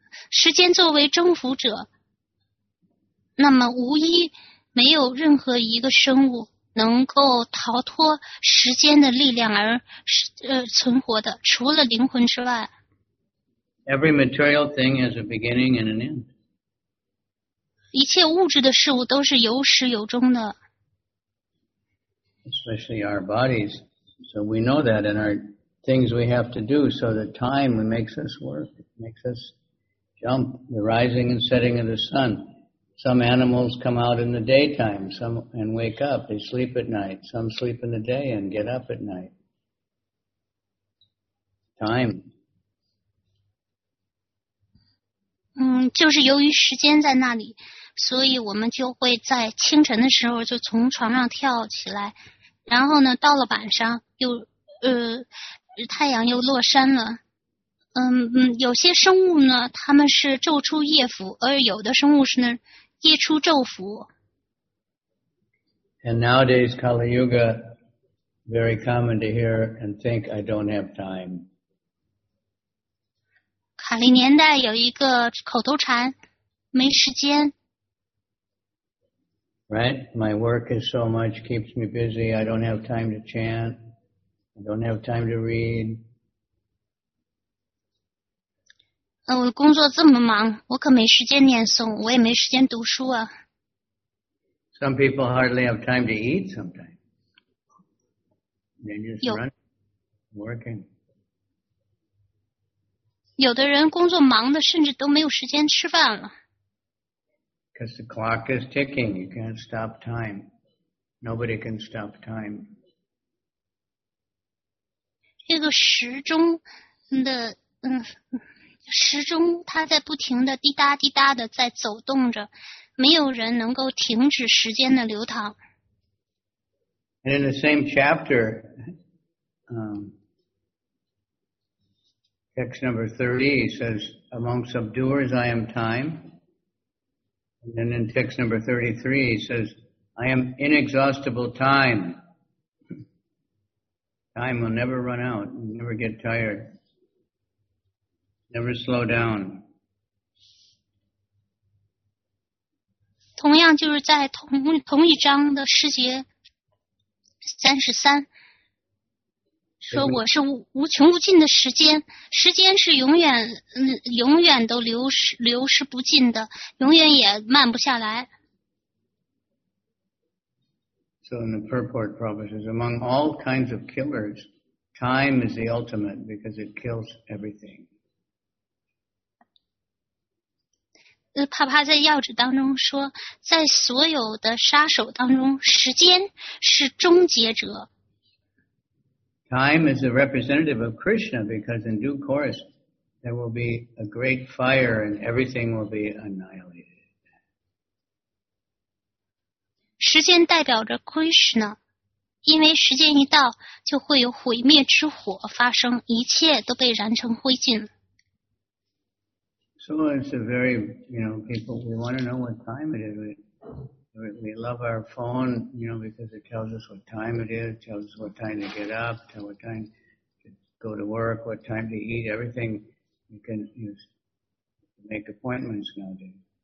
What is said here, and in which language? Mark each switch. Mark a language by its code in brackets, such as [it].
[zh] 时间作为征服者，那么无一没有任何一个生物能够逃脱时间的力量而存活的，除了灵魂之外。 [en] Every material thing has a beginning and an end. [zh] 一切物质的事物都是有始有终的。 [en] Especially our bodies. So we know that in our things we have to do. So the time makes us work, makes us jump. The rising and setting of the sun. Some animals come out in the daytime some, and wake up. They sleep at night. Some sleep in the day and get up at night. Time. [zh] 就是由于时间在那里。所以我们就会在清晨的时候就从床上跳起来，然后呢到了晚上又太阳又落山了。有些生物呢他们是昼出夜伏，而有的生物是呢夜出昼伏。 [en] And nowadays Kali Yuga very common to hear and think I don't have time. [zh] 卡利年代有一个口头禅，没时间。 [en] Right? My work is so much, keeps me busy. I don't have time to chant. I don't have time to read. [zh] 我工作这么忙，我可没时间念诵，我也没时间读书啊。 [en] Some people hardly have time to eat sometimes. They're just running, working. [zh] 有的人工作忙的甚至都没有时间吃饭了。 [en] Because the clock is ticking, you can't stop time. Nobody can stop time. [zh] 这个时钟的时钟它在不停的滴答滴答的在走动着，没有人能够停止时间的流淌。 [en] And in the same chapter, text number 30 says, among subduers I am time. And then in text number 33, he says, I am inexhaustible time. Time will never run out, never get tired, never slow down. [zh] 同样就是在 同一章的诗节33说我是 无穷无尽的时间，时间是永远都流失不尽的，永远也慢不下来。 [en] So in the purport prophecies, among all kinds of killers, time is the ultimate because it kills everything. [zh] 帕帕在要旨当中说，在所有的杀手当中，时间是终结者。 [en] Time is a representative of Krishna because in due course there will be a great fire and everything will be annihilated. [zh] 时间代表着 Krishna, 因为时间一到就会有毁灭之火发生，一切都被燃成灰烬。 [en] So it's a very, you know, people, we want to know what time it is. We love our phone, you know, because it tells us what time it is, tells us what time to get up, tell what time to go to work, what time to eat, everything you can use to make appointments nowadays.